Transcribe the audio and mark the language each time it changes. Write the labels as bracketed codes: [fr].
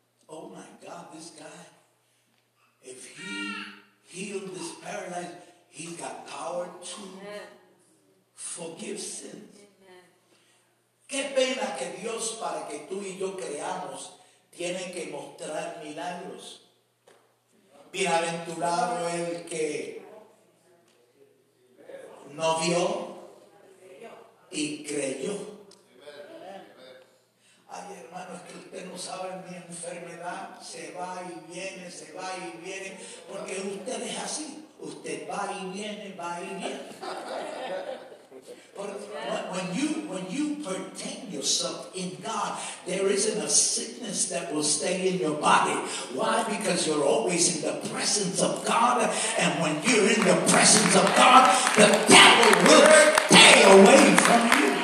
[en] Oh my God, this guy, if he healed this paralyzed, he got power to forgive sins. [es] Qué pena que Dios, para que tú y yo creamos, tiene que mostrar milagros. Bienaventurado el que no vio y creyó. Ay, hermano, es que usted no sabe, mi enfermedad se va y viene, se va y viene, porque usted es así, usted va y viene, va y viene. [en] But when you pertain yourself in God, there isn't a sickness that will stay in your body. Why? Because you're always in the presence of God. And when you're in the presence of God, the devil will stay away from you.